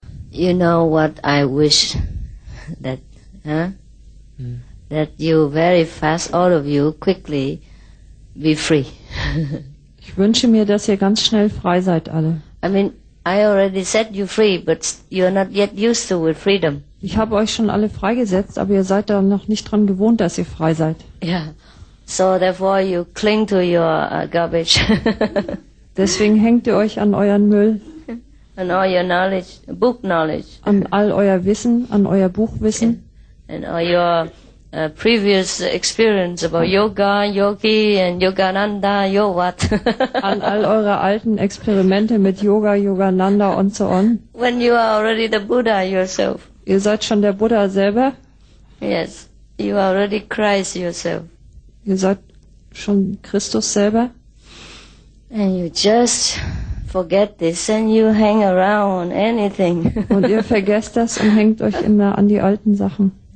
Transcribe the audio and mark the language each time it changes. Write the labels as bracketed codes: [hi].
[en] You know what I wish that that you very fast, all of you, quickly be free. [de] Ich wünsche mir, dass ihr ganz schnell frei seid, alle. [en] I mean, I already set you free, but you're not yet used to with freedom. [de] Ich habe euch schon alle freigesetzt, aber ihr seid da noch nicht dran gewohnt, dass ihr frei seid. [en] Yeah. So therefore you cling to your garbage. [de] Deswegen hängt ihr euch an euren Müll. [en] And all your knowledge, book knowledge. [de] An all euer Wissen, an euer Buchwissen. [en] And all your previous experience about Yoga, Yogi and Yogananda, Yogat. [de] An all eure alten Experimente mit Yoga, Yogananda und [en] so on. When you are already the Buddha yourself. [de] Ihr seid schon der Buddha selber. [en] Yes, you are already Christ yourself. [de] Ihr seid schon Christus selber. [en] And you just forget this and you hang around anything. [de] Und ihr vergesst das und hängt euch immer an die alten Sachen.